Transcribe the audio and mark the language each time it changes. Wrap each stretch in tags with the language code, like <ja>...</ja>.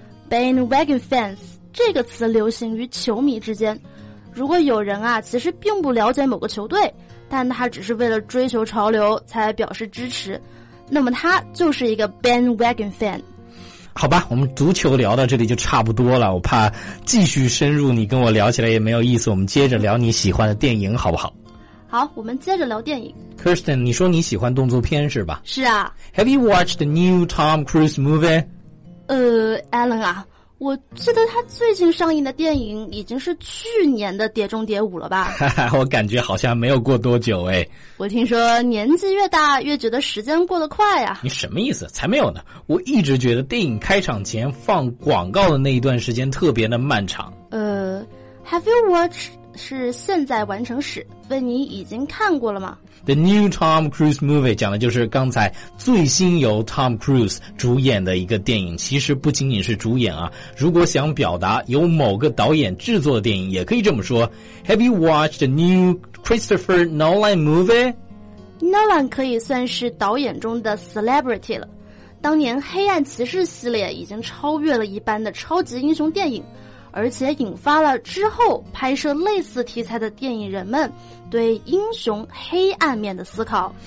<zh>bandwagon fans 这个词流行于球迷之间，如果有人啊其实并不了解某个球队，但他只是为了追求潮流才表示支持，那么他就是一个 bandwagon fan。好吧，我们足球聊到这里就差不多了，我怕继续深入你跟我聊起来也没有意思，我们接着聊你喜欢的电影好不好？好，我们接着聊电影。 Kirsten， 你说你喜欢动作片是吧？是啊。</zh> <en>Have you watched the new Tom Cruise movie？</en> <zh>Alan 啊，我记得他最近上映的电影已经是去年的《碟中谍五》了吧？我感觉好像没有过多久哎。我听说年纪越大越觉得时间过得快啊。你什么意思？才没有呢，我一直觉得电影开场前放广告的那一段时间特别的漫长。 Have you watched 是现在完成时，问你已经看过了吗？ The new Tom Cruise movie 讲的就是刚才最新由 Tom Cruise 主演的一个电影，其实不仅仅是主演啊，如果想表达由某个导演制作的电影也可以这么说。</zh> <en>Have you watched the new Christopher Nolan movie？</en> <zh>Nolan 可以算是导演中的 celebrity 了，当年黑暗骑士系列已经超越了一般的超级英雄电影，而且引发了之后拍摄类似题材的电影人们对英雄黑暗面的思考。</zh>